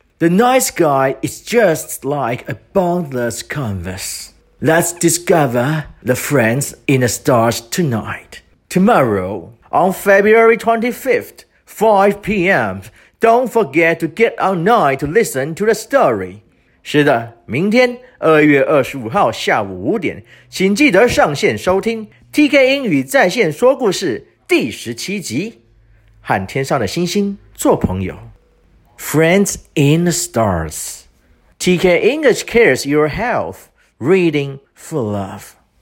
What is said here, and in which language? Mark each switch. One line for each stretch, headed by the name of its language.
English: The night sky is just like a boundless canvas. Let's discover the friends in the stars tonight. Tomorrow, on February 25th, 5 p.m., Don't forget to get online to listen to the story.
Chinese: 是的，明天2月25号下午5点，请记得上线收听 TK 英语在线说故事第17集，和天上的星星做朋友。
English: Friends in the Stars. TK English Cares Your Health. Reading for Love.